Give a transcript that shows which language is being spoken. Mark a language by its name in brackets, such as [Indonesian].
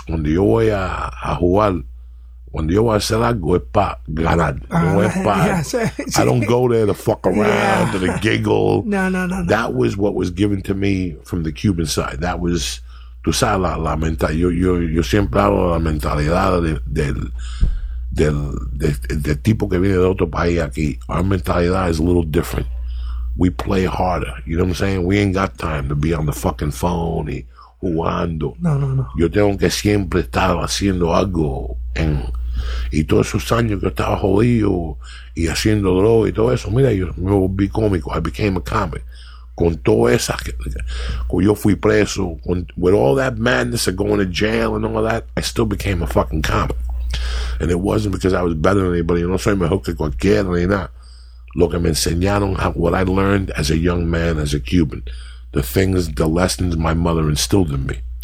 [Spanish] Cuando yo voy a jugar, cuando yo voy a hacer algo, es pa' ganar. No es pa' [English] yeah, I don't go there to fuck around, to giggle. [Spanish] No. [English] That was what was given to me from the Cuban side. That was, [Spanish] tú sabes, la mentalidad. Yo siempre hablo de la mentalidad del tipo que viene de otro país aquí. [English] Our mentalidad is a little different. We play harder. You know what I'm saying? We ain't got time to be on the fucking phone jugando. No. [Spanish] Yo tengo que siempre estar haciendo algo. Y todos esos años que estaba jodido y haciendo droga y todo eso, mira, yo me volví cómico. [English] I became a comic. [Spanish] con toda esa que yo fui preso, [English] with all that madness of going to jail and all that, I still became a fucking cop. And it wasn't because I was better than anybody. [Spanish] No soy mejor que cualquiera ni nada. Lo que me enseñaron, [English] what I learned as a young man, as a Cuban, the things, the lessons my mother instilled in me.